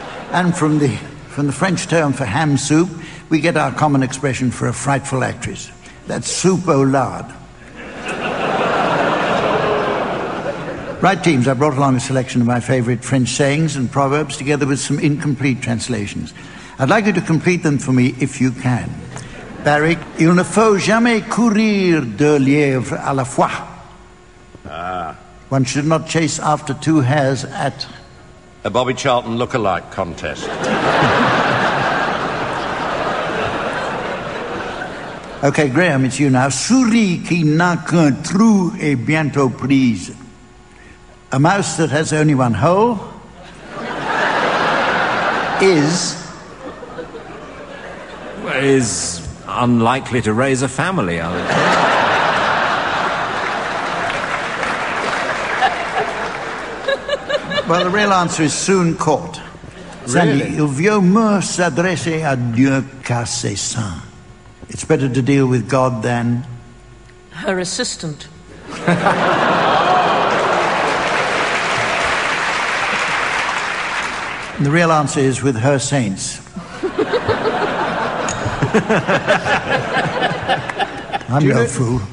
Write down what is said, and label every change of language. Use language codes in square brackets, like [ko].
[en] And from the French term for ham soup, we get our common expression for a frightful actress. That's soup au lard. Right, teams, I brought along a selection of my favourite French sayings and proverbs together with some incomplete translations. I'd like you to complete them for me, if you can. [fr] Barry, il ne faut jamais courir deux lièvres à la fois. Ah. [en] One should not chase after 2 hares at... A Bobby Charlton look-alike contest. OK, Graham, it's you now. [fr] Souris qui n'a qu'un trou est bientôt prise. [en] A mouse that has only one hole is unlikely to raise a family, I would say. Well, the real answer is soon caught. Really? [fr] Sandi, il vieux mur s'adresse à Dieu qu'à ses saints. [en] It's better to deal with God than... Her assistant. And the real answer is with her saints. I'm no fool.